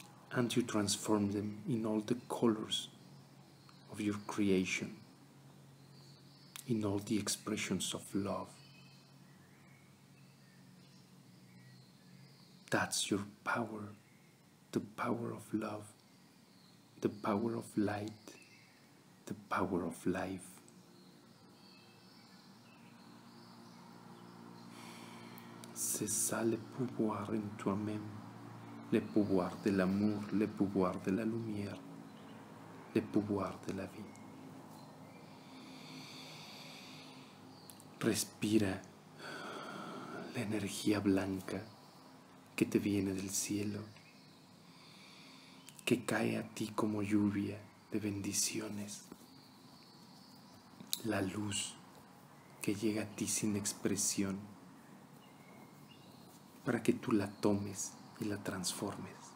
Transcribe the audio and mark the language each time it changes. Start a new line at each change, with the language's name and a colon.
English: and you transform them in all the colors of your creation, in all the expressions of love. That's your power, the power of love, the power of light, the power of life.
French: C'est ça le pouvoir en toi-même, le pouvoir de l'amour, le pouvoir de la lumière, le pouvoir de la vie.
Spanish: Respira la energía blanca que te viene del cielo, que cae a ti como lluvia de bendiciones, la luz que llega a ti sin expresión, para que tú la tomes y la transformes.